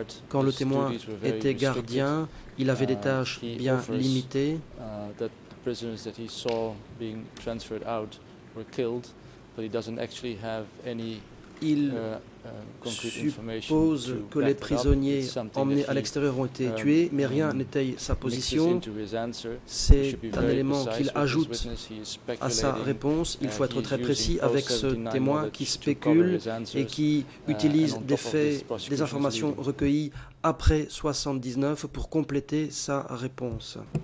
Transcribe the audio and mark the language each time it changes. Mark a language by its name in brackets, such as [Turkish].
[French] Quand le témoin était gardien, il avait des tâches bien limitées. [English] That the prisoners that he saw being transferred out were killed. But he doesn't actually have any, [French] il suppose que les prisonniers emmenés à l'extérieur ont été tués, mais rien n'étaye sa position. C'est un élément qu'il ajoute à sa réponse. Il faut être très précis avec ce témoin qui spécule et qui utilise des faits, des informations recueillies après 79 pour compléter sa réponse.